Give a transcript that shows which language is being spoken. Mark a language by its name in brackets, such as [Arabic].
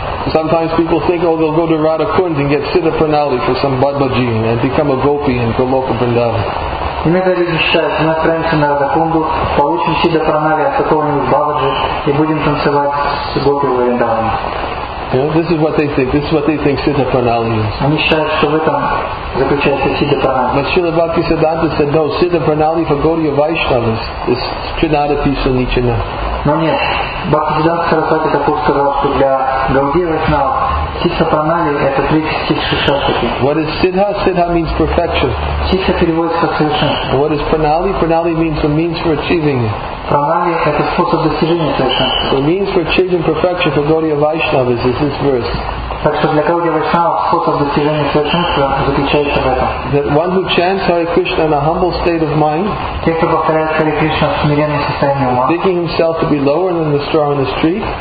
[English] Sometimes people think, oh, they'll go to Radha Kund and get Siddha Pranali for some Bhadbaji and become a gopi in Goloka Vrindavan. [Russian] Иногда люди считают, мы отправимся на Радакунду, получим Сидха Пранали от какого-нибудь Бабаджи и будем танцевать с Гопи Вриндаваном. [English] This is what they think. This is what they think Siddha Pranali is. [Russian] Они считают, что в этом заключается Сидха Пранали. [English] But Srila Bhakti Siddhanta said, no, Siddha Pranali for Gaudiya Vaishnavas is Trinada Pisa Nichana. [Russian] Но нет, Бхакти Сиддханта Сарасвати Такур сказал, что для Гаудия Вайшнава Сидха Пранали это третий стих Шишасвати. [English] What is Siddha? Siddha means perfection. [Russian] Сидха переводится как совершенство. [English] What is Pranali? Pranali means the means for achieving it. [Russian] Pranali это способ достижения совершенства. [English] The means for achieving perfection for Gaudiya Vaishnava is this verse. [Russian] Так что для Гаудия Вайшнава способ достижения совершенства заключается в этом. [English] That one who chants Hare Krishna in a humble state of mind, [Russian] те, кто повторяет Hare Krishna в смиренном состоянии ума, [English] thinking himself to be lower than the straw in the street,